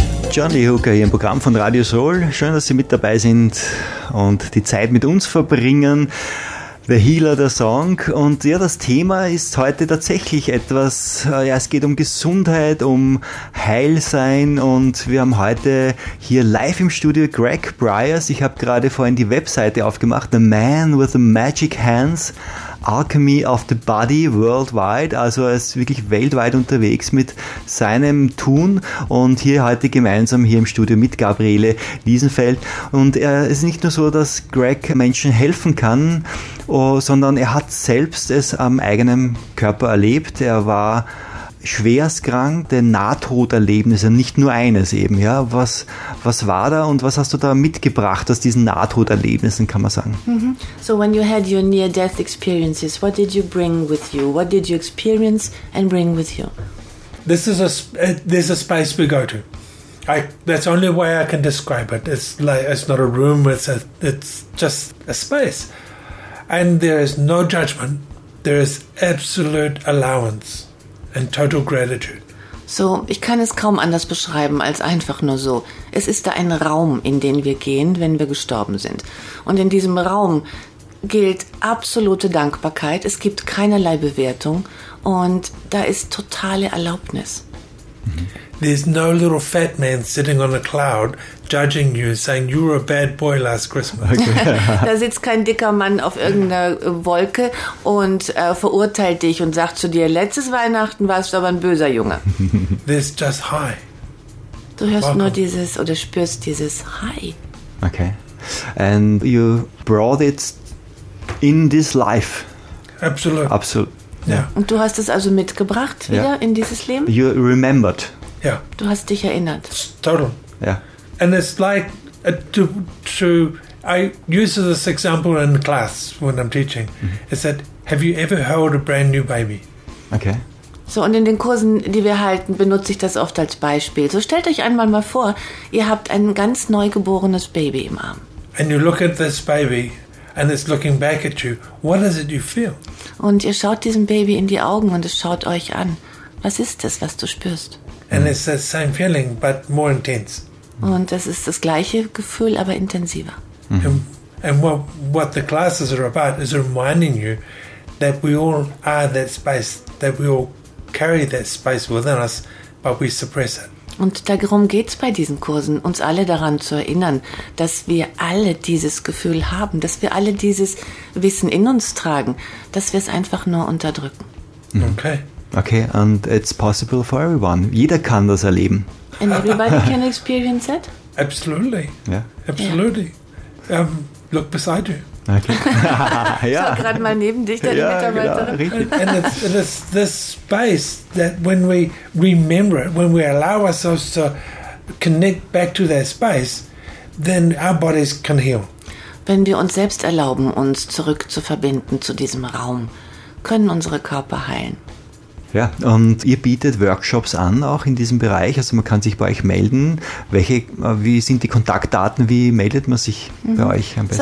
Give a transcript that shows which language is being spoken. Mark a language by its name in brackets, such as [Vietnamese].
[German] John Lee Hooker hier im Programm von Radio Soul. Schön, dass Sie mit dabei sind und die Zeit mit uns verbringen. The Healer, der Song. Und ja, das Thema ist heute tatsächlich etwas, ja, es geht um Gesundheit, um Heilsein. Und wir haben heute hier live im Studio Greg Bryers. Ich habe gerade vorhin die Webseite aufgemacht. [English] The Man with the Magic Hands. [German] Alchemy of the Body Worldwide, also er ist wirklich weltweit unterwegs mit seinem Tun und hier heute gemeinsam hier im Studio mit Gabriele Wiesenfeld. Und er ist nicht nur so, dass Greg Menschen helfen kann, sondern er hat selbst es am eigenen Körper erlebt. Er war schwerst krank, der Nahtoderlebnisse, nicht nur eines eben. Ja, was war da und was hast du da mitgebracht aus diesen Nahtoderlebnissen, kann man sagen? Mm-hmm. [English] So when you had your near-death experiences, what did you bring with you? What did you experience and bring with you? There's a space we go to. That's the only way I can describe it. It's not a room, it's just a space. And there is no judgment, there is absolute allowance. And total gratitude. [German] So, ich kann es kaum anders beschreiben als einfach nur so. Es ist da ein Raum, in den wir gehen, wenn wir gestorben sind. Und in diesem Raum gilt absolute Dankbarkeit. Es gibt keinerlei Bewertung. Und da ist totale Erlaubnis. [English] There's no little fat man sitting on a cloud judging you, saying you were a bad boy last Christmas. Okay. [German] Da sitzt kein dicker Mann auf irgendeiner Wolke und verurteilt dich und sagt zu dir, letztes Weihnachten warst du aber ein böser Junge. [English] There's just hi. [German] Du hörst Welcome. Nur dieses oder spürst dieses hi. [English] Okay. And you brought it in this life. Absolutely. Absolutely. Yeah. [German] Und du hast es also mitgebracht wieder in dieses Leben? [English] You remembered. Yeah. [German] Du hast dich erinnert. Total. [English] Yeah. And it's like I use this example in class when I'm teaching. Mm-hmm. It's that, have you ever held a brand new baby? Okay. [German] So, und in den Kursen, die wir halten, benutze ich das oft als Beispiel. So, stellt euch einmal mal vor, ihr habt ein ganz neugeborenes Baby im Arm. [English] And you look at this baby and it's looking back at you. What is it you feel? [German] Und ihr schaut diesem Baby in die Augen und es schaut euch an. Was ist es, was du spürst? [English] And it's the same feeling, but more intense. [German] Und das ist das gleiche Gefühl, aber intensiver. [English] And what the classes are about is reminding you that we all are that space, that we all carry that space within us, but we suppress it. [German] Und darum geht's bei diesen Kursen, uns alle daran zu erinnern, dass wir alle dieses Gefühl haben, dass wir alle dieses Wissen in uns tragen, dass wir es einfach nur unterdrücken. [English] Okay. Okay, and it's possible for everyone. [German] Jeder kann das erleben. [English] And everybody can experience it? Absolutely. Yeah. Absolutely. Yeah. Look beside you. Okay. [German] Ja. Schau gerade mal neben dich, deine Mitarbeiterin. Genau. [English] And it's this space that when we remember it, when we allow ourselves to connect back to that space, then our bodies can heal. [German] Wenn wir uns selbst erlauben, uns zurück zu verbinden zu diesem Raum, können unsere Körper heilen. Ja, und ihr bietet Workshops an, auch in diesem Bereich, also man kann sich bei euch melden. Wie sind die Kontaktdaten, wie meldet man sich bei euch am besten?